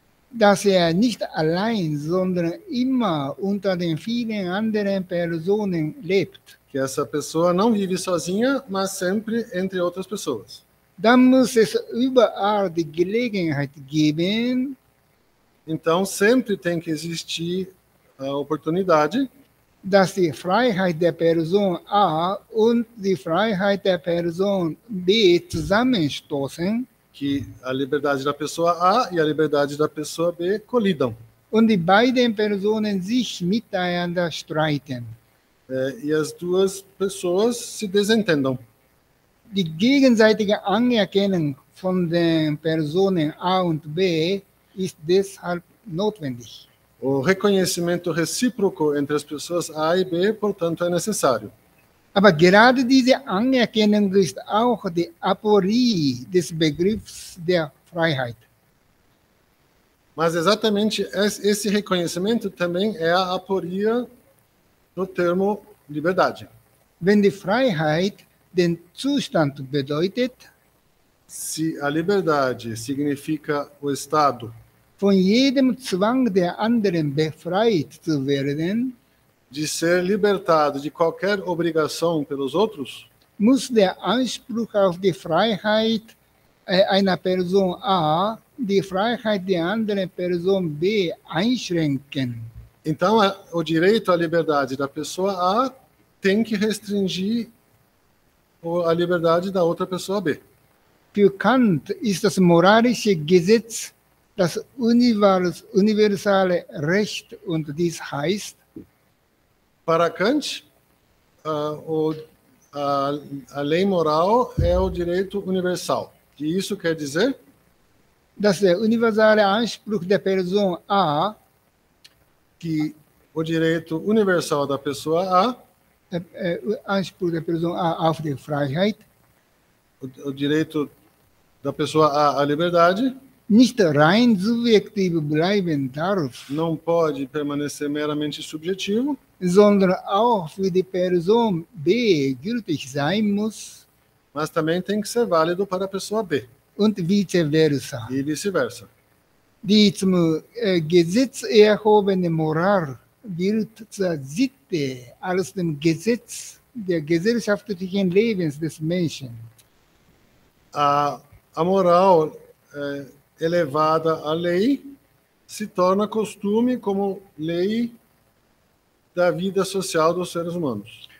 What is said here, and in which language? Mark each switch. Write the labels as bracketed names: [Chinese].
[German] dass er nicht allein, sondern immer unter den vielen anderen Personen lebt. [Portuguese] Que essa pessoa não vive sozinha, mas sempre entre outras pessoas. [German] Dann muss es überall die Gelegenheit geben. [Portuguese] Então, sempre tem que existir a oportunidade, [German] dass die Freiheit der Person A und die Freiheit der Person B zusammenstoßen, [Portuguese] que a liberdade da pessoa A e a liberdade da pessoa B colidam. [German] Und die beiden Personen sich miteinander streiten. [Portuguese] E as duas pessoas se desentendam. [German] Die gegenseitige Anerkennung von den Personen A und B ist deshalb notwendig. [Portuguese] O reconhecimento recíproco entre as pessoas A e B, portanto, é necessário. [German] Aber gerade diese Anerkennung ist auch die Aporie des Begriffs der Freiheit. [Portuguese] Mas exatamente esse reconhecimento também é a aporia do termo liberdade. [German] Wenn die Freiheit den Zustand bedeutet, [Portuguese] se a liberdade significa o estado [German] von jedem Zwang der anderen befreit zu werden, [Portuguese] de ser libertado de qualquer obrigação pelos outros, [German] muss der Anspruch auf die Freiheit einer Person A die Freiheit der anderen Person B einschränken. [Portuguese] Então, o direito à liberdade da pessoa A tem que restringir a liberdade da outra pessoa B. [German] Für Kant ist das moralische Gesetz das universale Recht, und dies heißt, [Portuguese] para Kant, a lei moral é o direito universal. E isso quer dizer? [German] Das universale Anspruch der Person A, [Portuguese] que o direito universal da pessoa A, [German] Anspruch der Person A auf die Freiheit, [Portuguese] o direito da pessoa A à liberdade, [German] nicht rein subjektiv bleiben darf, [Portuguese] não pode permanecer meramente subjetivo, [German] sondern auch für die Person B gültig sein muss, [Portuguese] mas também tem que ser válido para a pessoa B, [German] und vice-versa. [Portuguese] E vice-versa. [German] Die zum Gesetz erhobene Moral wird zur Sitte als dem Gesetz der gesellschaftlichen Lebens des Menschen. [Portuguese] A moral elevada à lei se torna costume como lei da vida social dos seres humanos.